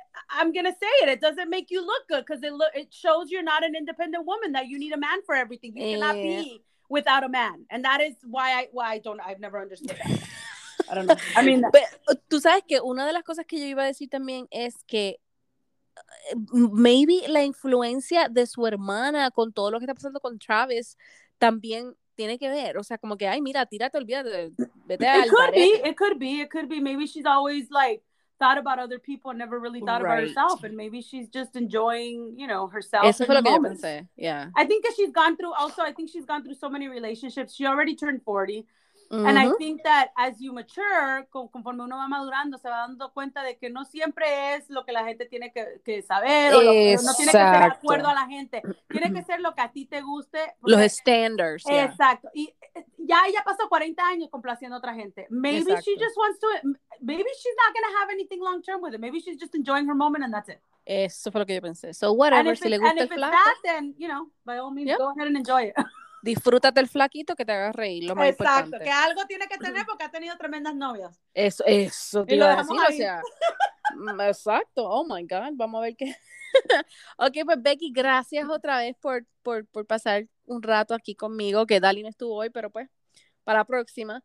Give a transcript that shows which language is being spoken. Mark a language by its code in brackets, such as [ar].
[en] I'm gonna say it. It doesn't make you look good because it shows you're not an independent woman, that you need a man for everything. You cannot be without a man, and that is why I don't. I've never understood that. I don't know. I mean, [es] but tú sabes que una de las cosas que yo iba a decir también es que maybe la influencia de su hermana con todo lo que está pasando con Travis también tiene que ver, o sea, como que, ay, mira, tírate, olvídate, vete al barrio. [en] It could be, maybe she's always like thought about other people and never really thought about herself. And maybe she's just enjoying, you know, herself. [es] Eso fue lo que yo pensé. Yeah. [en] I think that she's gone through, also, I think she's gone through so many relationships. She already turned 40. Mm-hmm. And I think that as you mature, [es] conforme uno va madurando, se va dando cuenta de que no siempre es lo que la gente tiene que saber. O lo, no tiene que ser de acuerdo a la gente. Tiene que ser lo que a ti te guste. Porque, los standards. Yeah. Exacto. Y ya ella pasó 40 años complaciendo a otra gente. [en] Maybe exacto. She just wants to, maybe she's not going to have anything long term with it. Maybe she's just enjoying her moment and that's it. [es] Eso fue lo que yo pensé. So whatever, si le gusta el flaco. [en] And if it's that, then, you know, by all means, yep. Go ahead and enjoy it. [es] Disfrútate el flaquito que te haga reír, lo más exacto, importante. Exacto, que algo tiene que tener porque ha tenido tremendas novias. Eso, tío, y lo dejamos así, ahí. O sea, exacto, [en] oh my God, [es] vamos a ver qué. Ok, pues Becky, gracias otra vez por pasar un rato aquí conmigo, que Dali no estuvo hoy, pero pues, para la próxima.